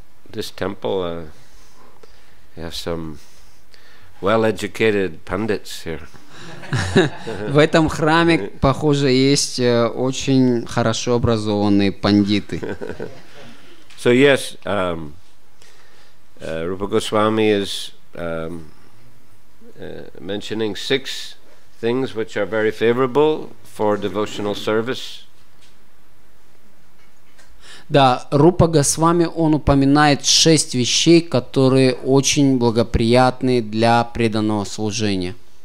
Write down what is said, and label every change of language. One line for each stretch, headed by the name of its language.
English: This temple, we have some well-educated pundits here.
Russian: В этом храме, похоже, есть очень хорошо образованные пандиты.
English: So yes, Rupa Goswami is mentioning six things. things which are very favorable for devotional service.
Russian: Да, Рупа Госвами, он упоминает шесть вещей, которые очень благоприятны для преданного служения.